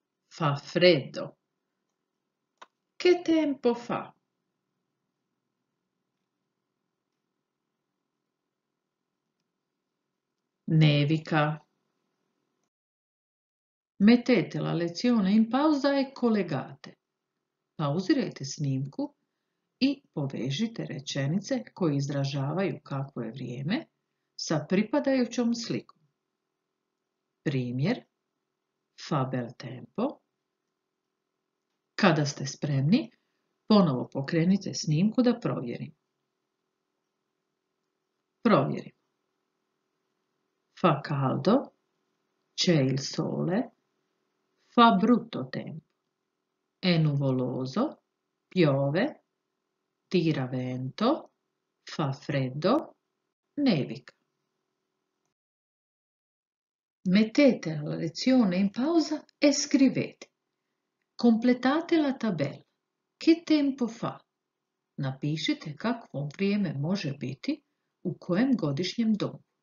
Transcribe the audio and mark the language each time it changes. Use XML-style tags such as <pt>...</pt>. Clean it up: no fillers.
<it>Fa freddo. Che tempo fa? Nevica. Mettete la lezione in pausa e collegate.</it> <hr>Pauzirajte snimku i povežite rečenice koje izražavaju kakvo je vrijeme sa pripadajućom slikom. Primjer.</hr> <it>Fa bel tempo.</it> <hr>Kada ste spremni, ponovo pokrenite snimku da provjerim. Provjerim.</hr> <it>Fa caldo. C'è il sole. Fa brutto tempo. È nuvoloso. Piove. Tira vento. Fa freddo. Nevica. Mettete la lezione in pausa e scrivete. Completate la tabella. Che tempo fa?</it> <hr>Napišite kakvo vrijeme može biti u kojem godišnjem domu.</hr>